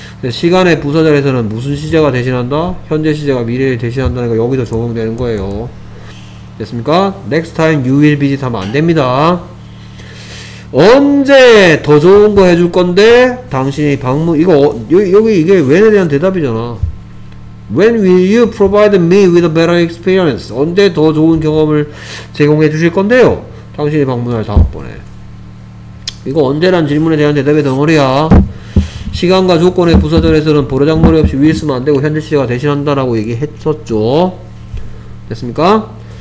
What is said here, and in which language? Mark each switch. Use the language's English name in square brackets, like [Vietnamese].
[Korean] 시간의 부사절에서는 무슨 시제가 대신한다? 현재 시제가 미래를 대신한다는 거 여기서 적용되는 거예요. 됐습니까? [English] next time you will visit [Korean] 하면 안 됩니다. 언제 더 좋은 거 해줄 건데 당신이 방문 이거 여기 이게 when에 대한 대답이잖아. [English] When will you provide me with a better experience? [Korean] 언제 더 좋은 경험을 제공해 주실 건데요 당신이 방문할 다음번에. 이거 언제란 질문에 대한 대답의 덩어리야. 시간과 조건의 부사절에서는 보라장머리 없이 will 쓰면 안 되고 현재 시제가 대신한다라고 얘기했었죠. 됐습니까?